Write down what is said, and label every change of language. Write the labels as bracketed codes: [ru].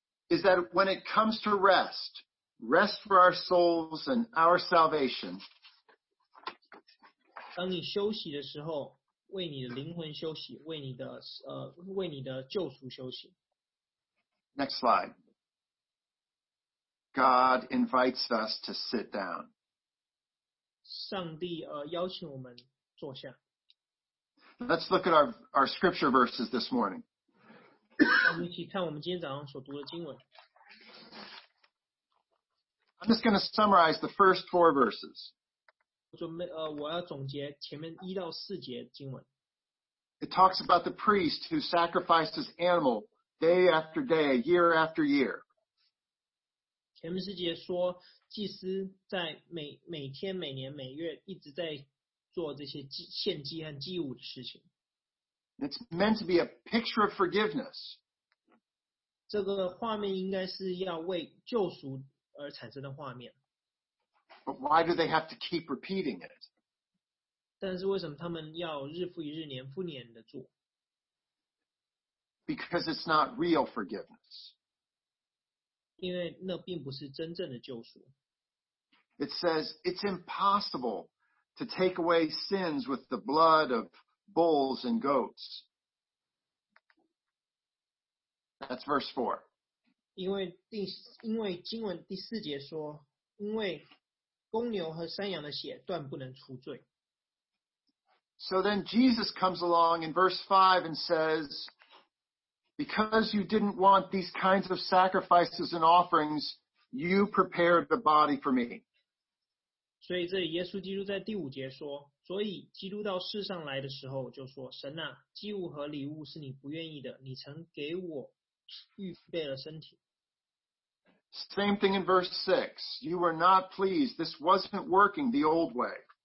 [en] Is that when it comes to rest, rest for our souls and our salvation. [zh] 当你休息的时候，为你的灵魂休息，为你的救赎休息。 [en] Next slide. God invites us to sit down. [zh] 上帝邀请我们坐下。 [en] Let's look at our scripture verses this morning. [zh] 我们一起看我们今天早上所读的经文。 [en] I'm just going to summarize the first four verses. [zh] 我要总结前面一到四节经文。 [en] It talks about the priest who sacrificed his animal day after day, year after year. [zh] 前面四节说，祭司在每天、每年、每月一直在做这些献祭和祭物的事情。 [en] It's meant to be a picture of forgiveness. [zh] 这个画面应该是要为救赎而产生的画面。 [en] But why do they have to keep repeating it? [zh] 但是为什么他们要日复一日、年复年的做？ [en] Because it's not real forgiveness. [zh] 因为那并不是真正的救赎。 [en] It says it's impossible to take away sins with the blood of bulls and goats. That's verse 4. [zh] 因为经文第四节说，因为公牛和山羊的血断不能除罪。 [en] So then Jesus comes along in verse 5 and says,Because you didn't want these kinds of sacrifices and offerings, you prepared the body for me. [zh] 所以这里耶稣基督在第五节说，所以基督到世上来的时候就说，神啊，祭物和礼物是你不愿意的，你曾给我预备了身体。 [en] Same thing in verse 6. You were not pleased. This wasn't working the old way.